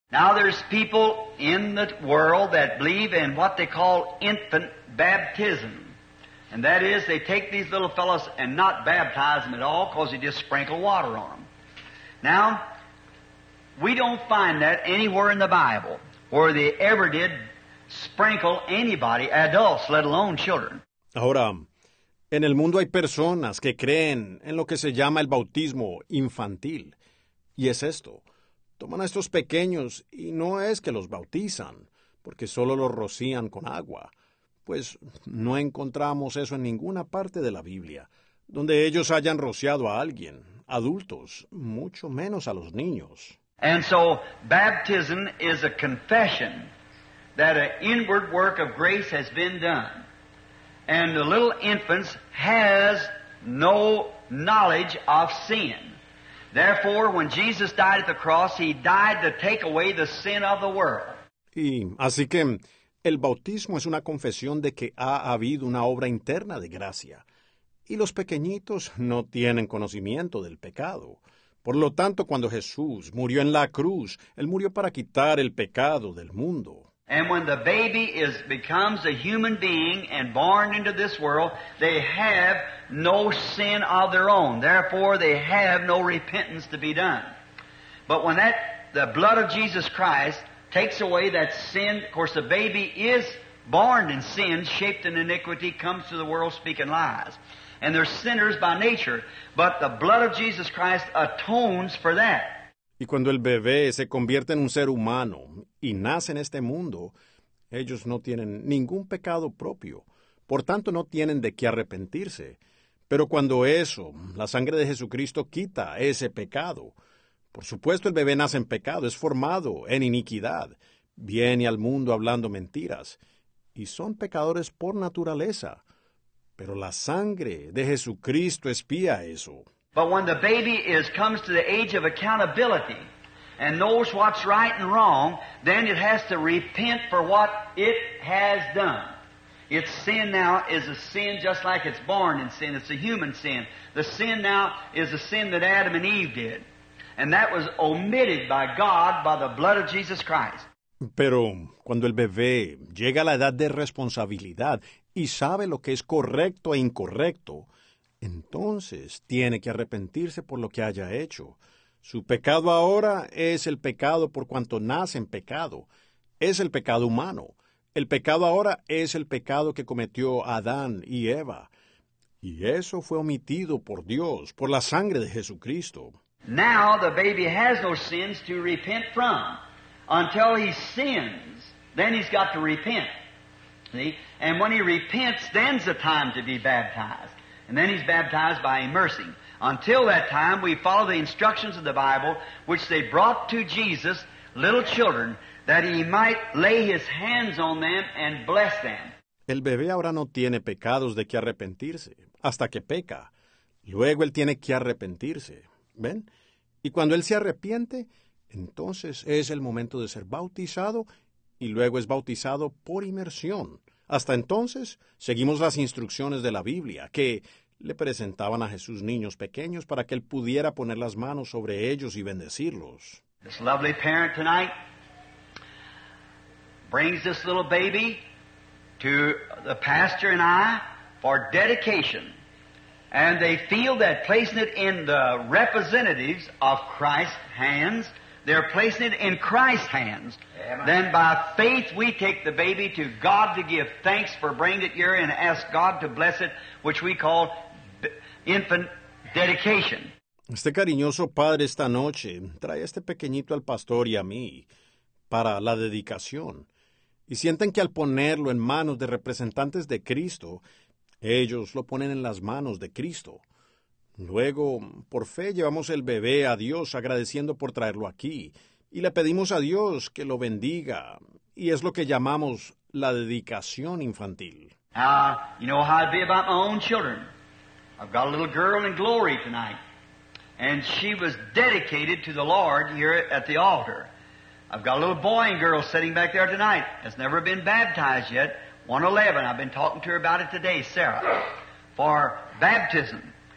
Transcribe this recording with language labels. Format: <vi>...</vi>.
<en>Now there's people in the world that believe in what they call infant baptism. And that is, they take these little fellows and not baptize them at all because they just sprinkle water on them. Now, we don't find that anywhere in the Bible where they ever did sprinkle anybody, adults, let alone children.</en> <es>Ahora, en el mundo hay personas que creen en lo que se llama el bautismo infantil. Y es esto. Toman a estos pequeños y no es que los bautizan, porque solo los rocían con agua. Pues no encontramos eso en ninguna parte de la Biblia, donde ellos hayan rociado a alguien, adultos, mucho menos a los niños.</es> <en>And so, baptism is a confession that an inward work of grace has been done. And the little infants has no knowledge of sin. Therefore, when Jesus died at the cross, he died to take away the sin of the world.</en> <es>Y así que el bautismo es una confesión de que ha habido una obra interna de gracia. Y los pequeñitos no tienen conocimiento del pecado. Por lo tanto, cuando Jesús murió en la cruz, él murió para quitar el pecado del mundo.</es> <en>And when the baby becomes a human being and born into this world, they have no sin of their own. Therefore, they have no repentance to be done. But when the blood of Jesus Christ takes away that sin, of course, the baby is born in sin, shaped in iniquity, comes to the world speaking lies. And they're sinners by nature. But the blood of Jesus Christ atones for that.</en> <es>Y cuando el bebé se convierte en un ser humano y nace en este mundo, ellos no tienen ningún pecado propio. Por tanto, no tienen de qué arrepentirse. Pero cuando eso, la sangre de Jesucristo, quita ese pecado. Por supuesto, el bebé nace en pecado, es formado en iniquidad. Viene al mundo hablando mentiras. Y son pecadores por naturaleza. Pero la sangre de Jesucristo expía eso.</es> <en>But when the baby comes to the age of accountability and knows what's right and wrong, then it has to repent for what it has done. Its sin now is a sin just like it's born in sin. It's a human sin. The sin now is a sin that Adam and Eve did. And that was omitted by God by the blood of Jesus Christ.</en> <es>Pero cuando el bebé llega a la edad de responsabilidad y sabe lo que es correcto e incorrecto, entonces, tiene que arrepentirse por lo que haya hecho. Su pecado ahora es el pecado por cuanto nace en pecado. Es el pecado humano. El pecado ahora es el pecado que cometió Adán y Eva. Y eso fue omitido por Dios, por la sangre de Jesucristo.</es> <en>Now the baby has no sins to repent from. Until he sins, then he's got to repent. See? And when he repents, then's the time to be baptized. And then he's baptized by immersing. Until that time, we follow the instructions of the Bible, which they brought to Jesus, little children, that he might lay his hands on them and bless them.</en> <es>El bebé ahora no tiene pecados de que arrepentirse, hasta que peca. Luego él tiene que arrepentirse. ¿Ven? Y cuando él se arrepiente, entonces es el momento de ser bautizado, y luego es bautizado por inmersión. Hasta entonces, seguimos las instrucciones de la Biblia, que le presentaban a Jesús niños pequeños para que él pudiera poner las manos sobre ellos y bendecirlos.</es> <en>This lovely parent tonight brings this little baby to the pastor and I for dedication. And they feel that placing it in the representatives of Christ's hands, They're placing it in Christ's hands. Amen. Then by faith we take the baby to God to give thanks for bringing it here and ask God to bless it, which we call infant dedication.</en> <es>Este cariñoso padre esta noche trae este pequeñito al pastor y a mí para la dedicación. Y sienten que al ponerlo en manos de representantes de Cristo, ellos lo ponen en las manos de Cristo. Luego, por fe, llevamos el bebé a Dios agradeciendo por traerlo aquí. Y le pedimos a Dios que lo bendiga. Y es lo que llamamos la dedicación infantil.</es> <en>You know how I'd be about my own children. I've got a little girl in glory tonight. And she was dedicated to the Lord here at the altar. I've got a little boy and girl sitting back there tonight. Has never been baptized yet. 111. I've been talking to her about it today, Sarah. For baptism.</en>